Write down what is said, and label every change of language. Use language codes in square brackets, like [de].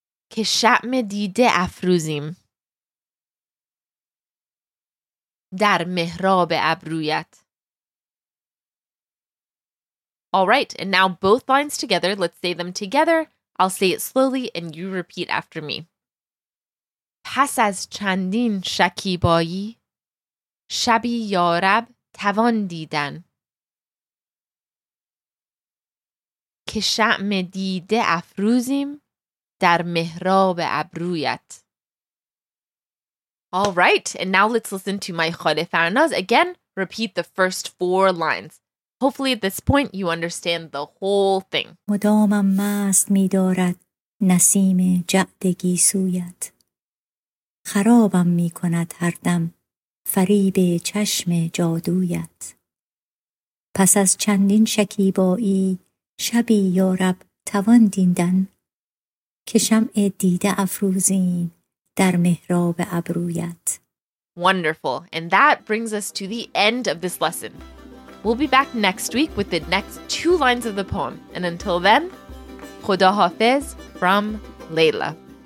[fa] Kishat medide afruzim. Dar mihrab abruyat. [en] All right, and now both lines together, let's say them together. I'll say it slowly and you repeat after me. [fa] پس از چندین شکیبایی شبی یارب توان دیدن که شمع دیده افروزیم در محراب ابرویت. [en] All right, and now let's listen to my Khale Farnaz again. Repeat the first four lines. Hopefully at this point you understand the whole thing. [fa] مدام مست می‌دارد نسیم جعد گیسویت. خرابم می‌کند هر دم فریب چشم جادویت. پس از چندین شکیبایی شبی یارب توان دیدن که شمع دیده افروزیم در محراب ابرویت. [en] Wonderful. And that brings us to the end of this lesson. We'll be back next week with the next two lines of the poem. And until then, خداحافظ from Leila.